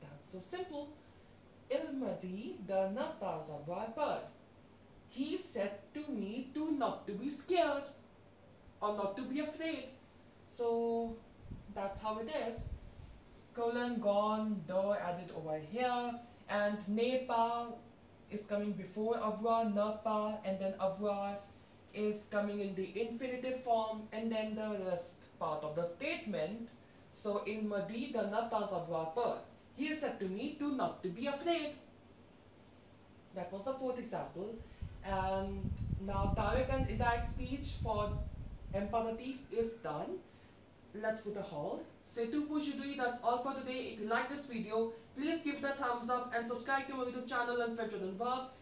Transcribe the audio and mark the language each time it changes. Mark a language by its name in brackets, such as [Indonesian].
[English] so simple. [French] Il m'a dit de ne pas avoir peur. [English] He said to me to not to be scared or not to be afraid. So that's how it is. Colon, gone, de added over here. And ne pas is coming before avoir, ne pas, and then avoir is coming in the infinitive form, and then the rest part of the statement. [French] So il m'a dit de ne pas avoir peur. [English] He said to me to not to be afraid. That was the fourth example. And now direct and indirect speech for imperative is done. Let's put a halt. [French] C'est tout pour aujourd'hui. [English] That's all for today. If you like this video, please give it a thumbs up and subscribe to my YouTube channel and Anubhav and above.